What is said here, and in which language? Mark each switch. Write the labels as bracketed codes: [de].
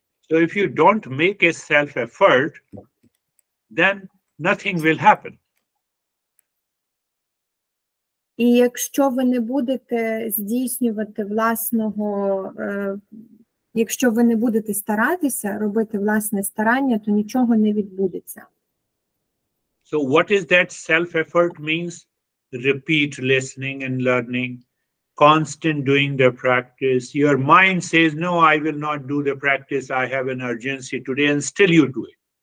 [en] So if you don't make a self-effort, then nothing will happen. [uk] І якщо ви не будете здійснювати власного, якщо ви не будете старатися робити власне старання, то нічого не відбудеться. [en] So what is that self-effort means? Repeat listening and learning, constant doing the practice. Your mind says, no, I will not do the practice, I have an urgency today, and still you do it.